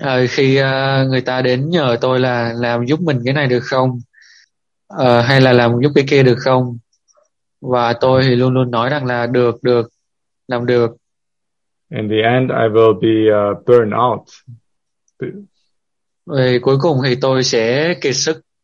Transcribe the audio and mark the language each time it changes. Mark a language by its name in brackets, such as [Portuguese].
[Vietnamese] Khi người ta đến nhờ tôi là làm giúp mình cái này được không? Hay là làm giúp cái kia được không? Và tôi thì luôn luôn nói rằng là được, được, làm được. [English] In the end, I will be burned out. [Vietnamese] Vì cuối cùng thì tôi sẽ kiệt sức.